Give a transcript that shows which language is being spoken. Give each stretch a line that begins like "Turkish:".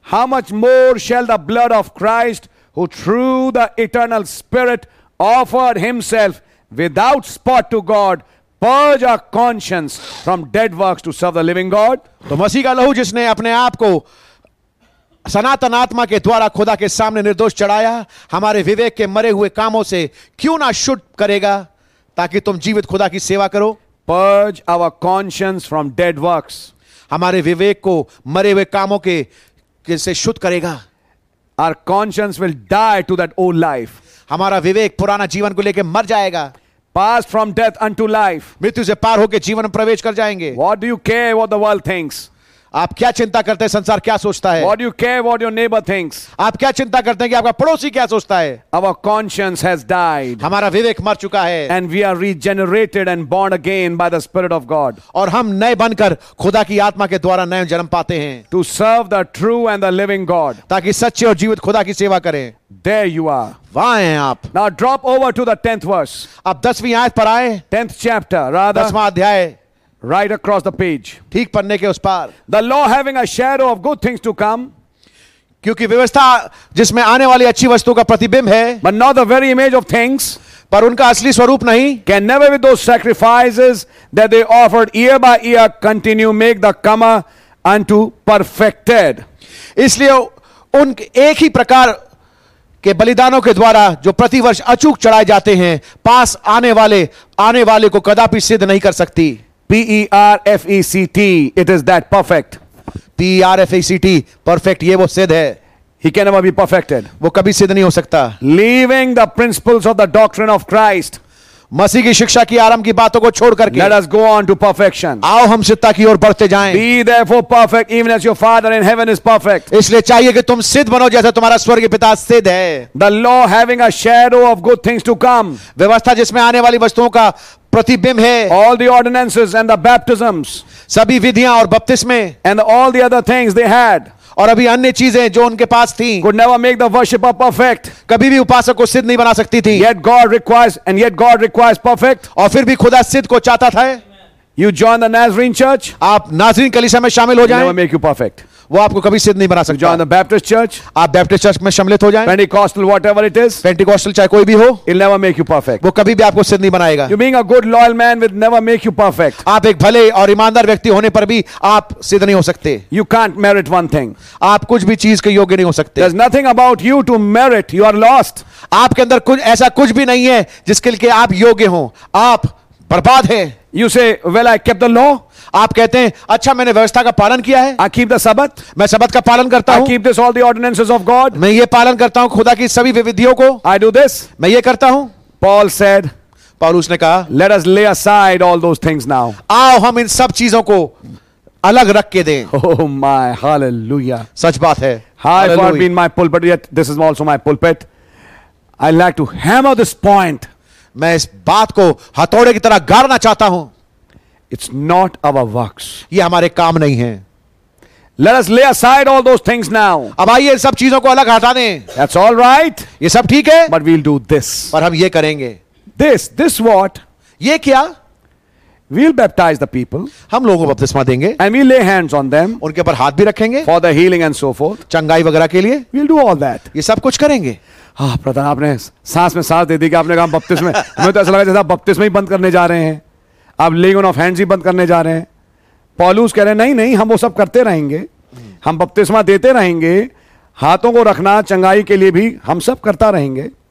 English: How much more shall the blood of Christ, who through the eternal Spirit offered Himself without spot to God, purge our conscience from dead works to serve the living God.
Hindi: तो मसीह का लहू जिसने अपने आप को सनातन आत्मा के द्वारा खुदा के सामने निर्दोष चढ़ाया हमारे विवेक के मरे हुए कामों से क्यों ना शुद्ध करेगा ताकि तुम जीवित खुदा की सेवा करो.
English: purge our conscience from dead works.
Hindi: हमारे विवेक को मरे हुए कामों के शुद्ध करेगा.
English: our conscience will die to that old life.
Hindi: हमारा विवेक पुराना जीवन को लेकर मर जाएगा.
English: Passed from death unto life.
Hindi: मृत्यु से पार होकर जीवन में प्रवेश कर जाएंगे.
English: What do you care what the world thinks?
Hindi: आप क्या चिंता करते हैं संसार क्या सोचता है?
English: What do you care what your neighbor thinks?
Hindi: आप क्या चिंता करते हैं कि आपका पड़ोसी क्या सोचता है?
English: Our conscience has died.
Hindi: हमारा विवेक मर चुका है.
English: And we are regenerated and born again by the Spirit of God.
Hindi: और हम नए बनकर खुदा की आत्मा के द्वारा नए जन्म पाते हैं.
English: To serve the true and the living God.
Hindi: ताकि सच्चे और जीवित खुदा की सेवा करें.
English: There you are.
Hindi: वहाँ हैं आप.
English: Now drop over to the 10th verse.
Hindi: अब 10वीं आयत पर आए.
English: 10th chapter, rather.
Hindi: 10वां अध्याय.
English: Right across the page.
Hindi: ठीक पन्ने के उस पार.
English: The law having a shadow of good things to come.
Hindi: क्योंकि व्यवस्था जिसमें आने वाली अच्छी वस्तुओं का प्रतिबिंब है.
English: But not the very image of things.
Hindi: पर उनका असली स्वरूप नहीं.
English: Can never with those sacrifices that they offered year by year continue make the comer unto perfected.
Hindi: इसलिए उन एक ही प्रकार के बलिदानों के द्वारा जो प्रतिवर्ष अचूक चढ़ाए जाते हैं पास आने वाले को कदापि सिद्ध नहीं कर सकती.
English: P-E-R-F-E-C-T. It is that perfect. P-E-R-F-E-C-T. Perfect.
Hindi: ये वो सिद्ध है.
English: He can never be perfected.
Hindi: वो कभी सिद्ध नहीं हो सकता.
English: Leaving the principles of the doctrine of Christ.
Hindi: मसीह की शिक्षा की आरंभ की बातों को छोड़ करके
English: Let us go on to perfection.
Hindi: आओ हम सिद्धता की ओर बढ़ते जाएं.
English: Be therefore perfect, even as your Father in heaven is perfect.
Hindi: इसलिए चाहिए कि तुम सिद्ध बनो जैसे तुम्हारा स्वर्गीय पिता सिद्ध है.
English: The law having a shadow of good things to come.
Hindi: व्यवस्था जिसमें आने वाली वस्तुओं का प्रतिबिंब है.
English: All the ordinances and the baptisms.
Hindi: सभी विधियां और बपतिस्मे.
English: And all the other things they had.
Hindi: और अभी अन्य चीजें जो उनके पास थी
English: could never make the worshipper perfect.
Hindi: कभी भी उपासक को सिद्ध नहीं बना सकती थी.
English: Yet God requires, and yet God requires perfect.
Hindi: और फिर भी खुदा सिद्ध को चाहता था.
English: You join the Nazarene church.
Hindi: आप नाजरीन कलीसिया में शामिल हो जाएं.
English: Never make you perfect.
Hindi: वो आपको कभी सिद्ध नहीं बना सकता.
English: Join the Baptist church.
Hindi: आप बैप्टिस्ट चर्च में सम्मिलित हो जाएं.
English: Pentecostal, whatever it is.
Hindi: Pentecostal चाहे कोई भी हो.
English: It'll never make you perfect.
Hindi: वो कभी भी आपको सिद्ध नहीं बनाएगा.
English: You being a good loyal man will never make you perfect.
Hindi: आप एक भले और ईमानदार व्यक्ति होने पर भी आप सिद्ध नहीं हो सकते.
English: You can't merit one thing.
Hindi: आप कुछ भी चीज के योग्य नहीं हो सकते.
English: There's nothing about you to merit. You are lost.
Hindi: आपके अंदर कुछ ऐसा कुछ भी नहीं है जिसके लिए आप योग्य हो. आप बर्बाद है.
English: You say, well, I kept the law.
Hindi: आप कहते हैं अच्छा मैंने व्यवस्था का पालन किया है.
English: I keep the Sabbath.
Hindi: मैं सबत का पालन करता हूँ.
English: I keep this all the ordinances of God.
Hindi: मैं ये पालन करता हूँ खुदा की सभी विधियों को.
English: I do this.
Hindi: मैं ये करता हूँ.
English: Paul said.
Hindi: पौलुस ने कहा.
English: Let us lay aside all those things now.
Hindi: आओ हम इन सब चीजों को अलग रख के दें.
English: Oh my, hallelujah.
Hindi: सच बात है.
English: I have not been my pulpit yet. This is also my pulpit. I like to hammer this point.
Hindi: मैं इस बात को हथौड़े की तरह गाड़ना चाहता हूं.
English: It's not our works.
Hindi: ये हमारे काम नहीं है.
English: Let us lay aside all those things now.
Hindi: अब आइए सब चीजों को अलग हटा दें.
English: That's all right.
Hindi: ये सब ठीक है.
English: But we'll do this.
Hindi: पर हम ये करेंगे.
English: This what?
Hindi: ये क्या?
English: We'll baptize the people.
Hindi: हम लोगों को बपतिस्मा देंगे.
English: And we'll lay hands on them.
Hindi: उनके ऊपर हाथ भी रखेंगे.
English: For the healing and so forth.
Hindi: चंगाई वगैरह के लिए.
English: We'll do all that.
Hindi: ये सब कुछ करेंगे. हाँ प्रधान आपने सांस में सांस दे दी कि आपने कहा बपतिस्मे में. हमें तो ऐसा लगा जैसा बपतिस्मे ही बंद करने जा रहे हैं. आप
English: legend of hands
Hindi: ही बंद करने जा रहे हैं. पौलुस कह रहे हैं नहीं नहीं हम वो सब करते रहेंगे. हम बपतिस्मा देते रहेंगे. हाथों को रखना चंगाई के लिए भी हम सब करता रहेंगे.